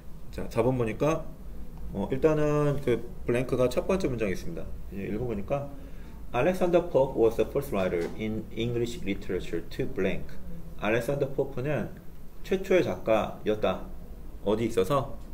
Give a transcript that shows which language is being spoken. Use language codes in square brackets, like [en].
[ko] 자, 4번 보니까 일단은 그 블랭크가 첫 번째 문장이 있습니다. 이제 읽어보니까 [en] Alexander Pope was the first writer in English literature to blank. [ko] 알렉산더 포프는 최초의 작가였다. 어디 있어서?